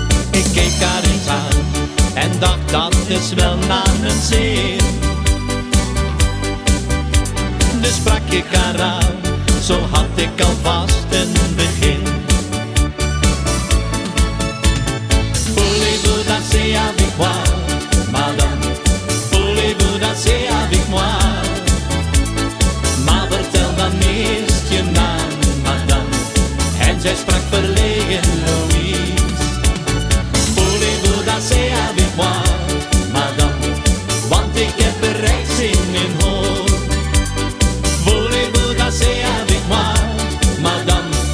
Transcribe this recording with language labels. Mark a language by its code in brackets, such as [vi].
[nl] Ik keek haar eens aan en dacht dat is wel naar mijn zin. Dus sprak ik haar aan, zo had ik alvast een begin. [fr] Voulez-vous danser avec moi, madame? Voulez-vous danser avec moi? [nl] Maar vertel dan eerst je naam, madame. En zij sprak verlegen, Louise. [fr] Voulez-vous danser avec moi, madame? [nl] Want ik heb er reeds in mijn hoofd. [fr] Voulez-vous danser avec moi, madame?